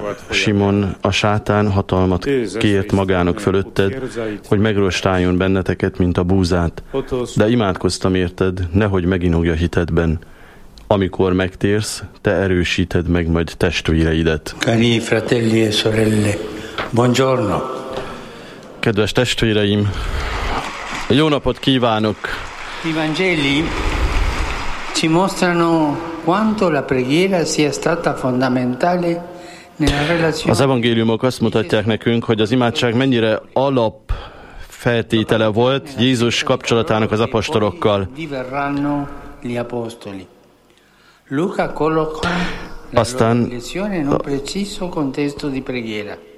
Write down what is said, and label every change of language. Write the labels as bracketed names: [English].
[Hungarian] Simon, a sátán hatalmat kért magának fölötted, hogy megrostáljon benneteket, mint a búzát, de imádkoztam érted, nehogy meginogja hitedben. Amikor megtérsz, te erősíted meg majd testvéreidet. [Italian] Cari fratelli e sorelle, buongiorno. [Hungarian] Kedves testvéreim, jó napot kívánok! [Italian] I Vangeli ci mostrano quanto la preghiera sia stata fondamentale nella relazione. [Hungarian] Az evangéliumok azt mutatják nekünk, hogy az imádság mennyire alap feltétele volt Jézus kapcsolatának az apostolokkal. [Italian] Diverranno gli apostoli. Luca colloca la lezione in un preciso contesto di preghiera.